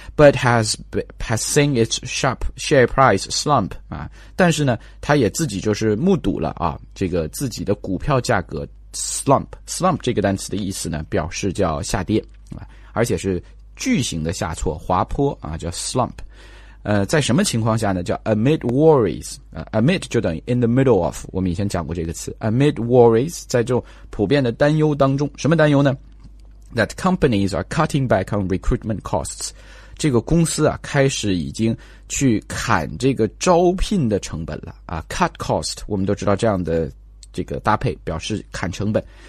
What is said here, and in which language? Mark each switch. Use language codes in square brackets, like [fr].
[en] But has seen its sharp share price slump [zh] 啊，但是呢，它也自己就是目睹了啊，这个自己的股票价格 slump。 slump 这个单词的意思呢，表示叫下跌啊，而且是巨型的下挫、滑坡啊，叫 slump。在什么情况下呢？叫 [en] amid worries， [zh] amid 就等于 in the middle of， 我们以前讲过这个词。 [en] amid worries， [zh] 在这种普遍的担忧当中，什么担忧呢？ [en] That companies are cutting back on recruitment costs， [zh] 这个公司啊开始已经去砍这个招聘的成本了啊。 cut cost， 我们都知道这样的这个搭配表示砍成本。